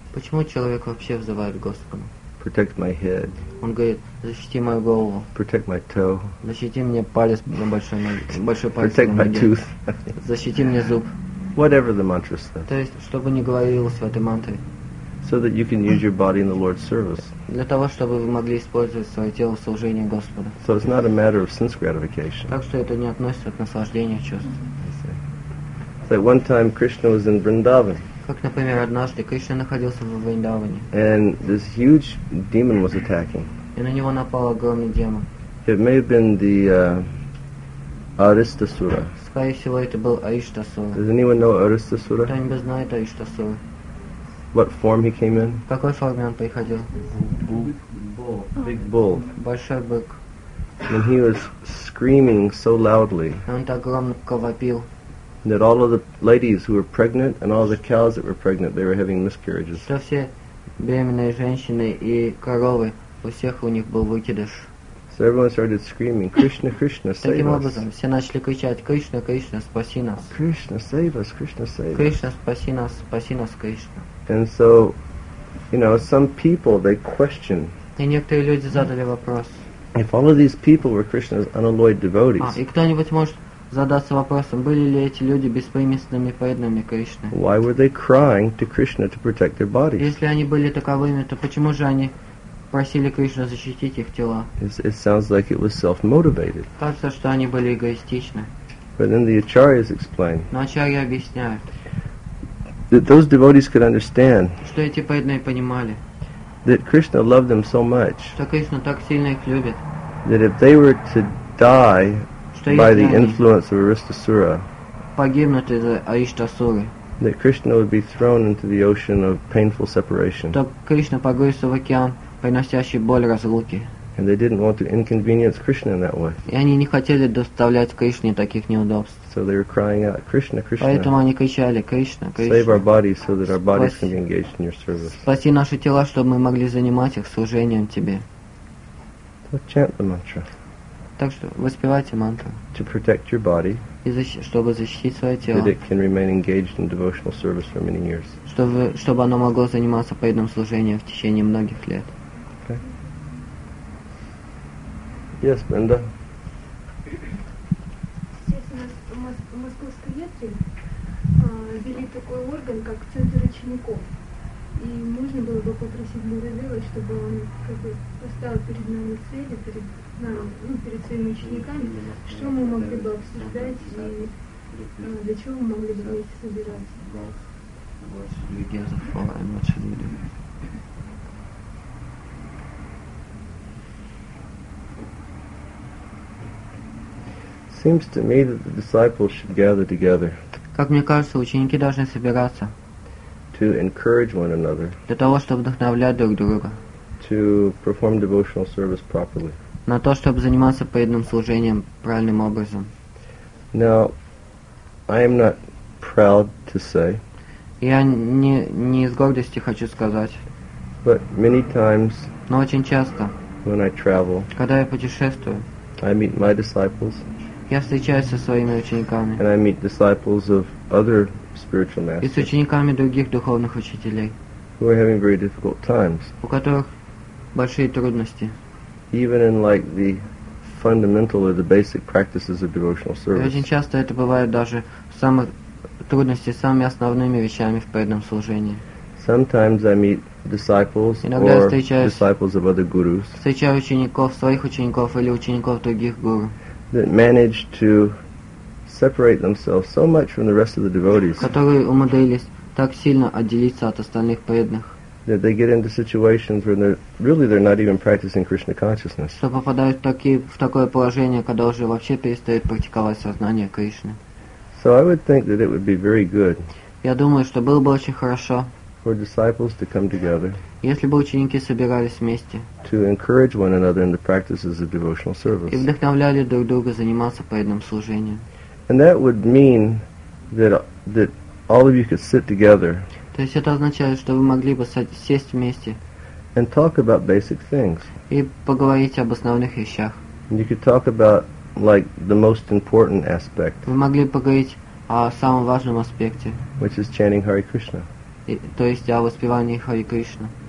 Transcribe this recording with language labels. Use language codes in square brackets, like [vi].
[ru] Почему человек вообще взывает к Господу? [en] Protect my head. [ru] Он говорит, защити мою голову. [en] Protect my toe. [ru] Защити мне палец на большой ноге. Большой палец [en] Protect [ru] на ноге. [en] My tooth. [ru] Защити мне зуб. [en] Whatever the mantra says. [ru] То есть, чтобы не говорилось в этой мантре. [en] So that you can use your body in the Lord's service. [ru] Для того, чтобы вы могли использовать свое тело в служении Господу. [en] So it's not a matter of sense gratification. [ru] Так что это не относится к наслаждению чувств. [en] So at one time Krishna was in Vrindavan. [ru] Как, например, однажды Кришна находился в Вриндаване. [en] And this huge demon was attacking. [ru] И на него напал огромный демон. [en] It may have been the Aristasura. [ru] Скорее всего, это был Аиштасура. [en] Does anyone know Aristasura? [ru] Кто-нибудь знает Аиштасура? [en] What form he came in? [ru] В какой форме он приходил? [en] Big bull. [ru] Большой бык. [en] And he was screaming so loudly. [ru] Он так громко вопил. [en] That all of the ladies who were pregnant and all the cows that were pregnant, they were having miscarriages. [ru] Что все беременные женщины и коровы, у всех у них был выкидыш. [en] So everyone started screaming, Krishna, Krishna, save us. [ru] Таким образом, все начали кричать, Krishna, Krishna, спаси нас. [en] Krishna, save us, Krishna, save us. [ru] Krishna, спаси нас, Krishna. [en] And so, you know, some people, they question. [ru] И некоторые люди задали вопрос. [en] If all of these people were Krishna's unalloyed devotees. [ru] А, и кто-нибудь может задаться вопросом, были ли эти люди беспримесными преданными Кришне? [en] Why were they crying to Krishna to protect their bodies? [ru] Если они были таковыми, то почему же они просили Кришну защитить их тела? [en] It sounds like it was self-motivated. [ru] Кажется, что они были эгоистичны. [en] But then the acharyas explain. [ru] Но ачарьи объясняют. [en] That those devotees could understand. [ru] Что эти преданные понимали. [en] That Krishna loved them so much. [ru] Что Кришна так сильно их любит. [en] That if they were to die by the influence of Aristasura. [ru] Погибнут из-за Аиштасуры. [en] That Krishna would be thrown into the ocean of painful separation. [ru] Что Кришна погрузится в океан, приносящий боль разлуки. [en] And they didn't want to inconvenience Krishna in that way. [ru] И они не хотели доставлять Кришне таких неудобств. [en] So they were crying out, Krishna, Krishna. [ru] Поэтому они кричали, Кришна, Кришна. [en] Save our bodies so that our bodies can be engaged in your service. [ru] Спаси наши тела, чтобы мы могли занимать их служением тебе. [en] So chant the mantra. [ru] Так что воспевайте мантру. [en] To protect your body. [ru] Чтобы защитить свое тело. [en] That it can remain engaged in devotional service for many years. [ru] Чтобы оно могло заниматься преданным служением в течение многих лет. [en] Yes, Brenda. [ru] Сейчас у нас в Московской ветке ввели такой орган, как центр учеников. И можно было бы попросить Бурадева, чтобы он как бы поставил перед нами цели, перед нами, ну, перед своими учениками, что мы могли бы обсуждать и для чего мы могли бы вместе собираться. [en] So seems to me that the disciples should gather together. [ru] Как мне кажется, ученики должны собираться. [en] To encourage one another. [ru] Для того, чтобы вдохновлять друг друга. [en] To perform devotional service properly. [ru] На то, чтобы заниматься преданным служением правильным образом. [en] Now, I am not proud to say. [ru] Я не из гордости хочу сказать. [en] But many times. [ru] Но очень часто. [en] When I travel. [ru] Когда я путешествую. [en] I meet my disciples. [ru] Я встречаюсь со своими учениками. [en] And I meet disciples of other spiritual masters. [ru] И с учениками других духовных учителей. [en] Who are having very difficult times. [ru] У которых большие трудности. [en] Even in like the fundamental or the basic practices of devotional service. [ru] И очень часто это бывает даже в самых трудностях, самыми основными вещами в преданном служении. [en] Sometimes I meet disciples or disciples of other gurus. [ru] Встречаю учеников, своих учеников или учеников других гуру. [en] That manage to separate themselves so much from the rest of the devotees. [ru] Которые умудрились так сильно отделиться от остальных преданных. [en] That they get into situations where they're not even practicing Krishna consciousness. [ru] Что попадают в такое положение, когда уже вообще перестают практиковать сознание Кришны. [en] So I would think that it would be very good. [ru] Я думаю, что было бы очень хорошо. [en] For disciples to come together. [ru] Если бы ученики собирались вместе. [en] To encourage one another in the practices of devotional service. [ru] И вдохновляли друг друга заниматься преданным служением. [en] And that would mean that all of you could sit together. [ru] То есть это означает, что вы могли бы сесть вместе. [en] And talk about basic things. [ru] И поговорить об основных вещах. [en] And you could talk about like the most important aspect. [ru] Вы могли бы поговорить о самом важном аспекте. [en] Which is chanting Hare Krishna. [ru] То есть о воспевании Хари Кришна.